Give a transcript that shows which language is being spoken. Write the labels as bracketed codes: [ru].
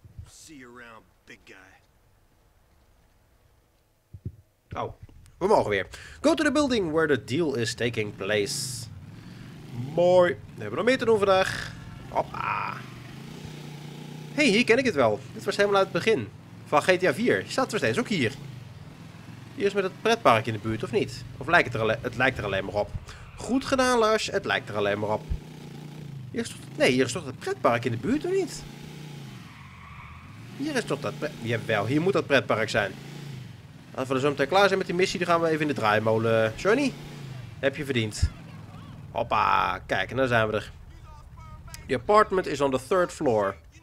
[en] See you around, big guy. Oh. [nl] We mogen weer. [en] Go to the building where the deal is taking place. [nl] Mooi. We hebben nog meer te doen vandaag. Hoppa. Hey, hier ken ik het wel. Dit was helemaal uit het begin. Van GTA 4. Je zat er steeds ook hier. Hier is met het pretpark in de buurt, of niet? Of lijkt het er alleen, maar op? Goed gedaan, Lars. Het lijkt er alleen maar op. Hier is toch, nee, hier is toch het pretpark in de buurt, of niet? Hier is toch dat pretpark... Jawel, hier moet dat pretpark zijn. Als we er zo meteen klaar zijn met die missie, dan gaan we even in de draaimolen. Johnny, heb je verdiend. Hoppa, kijk, nou zijn we er. [en] The apartment is on the third floor.